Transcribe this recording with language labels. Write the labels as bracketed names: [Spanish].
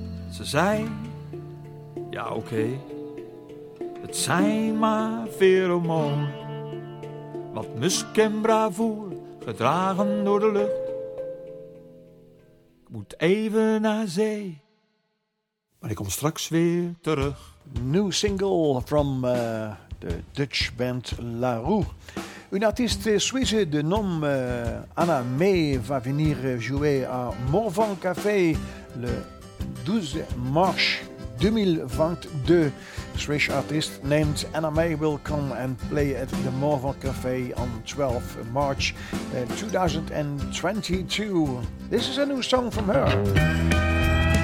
[Dutch] Ze zei, ja oké, okay. Het zijn maar feromonen. Wat musk en bravoer, gedragen door de lucht. Ik moet even naar zee, maar ik kom straks weer terug. [English] New single from the Dutch band La Roue. [French] Une artiste suisse de nom Anna May va venir jouer à Morvan Café le 12 mars 2022. [English] Swiss artist named Anna May will come and play at the Morvan Café on 12 March 2022. This is a new song from her.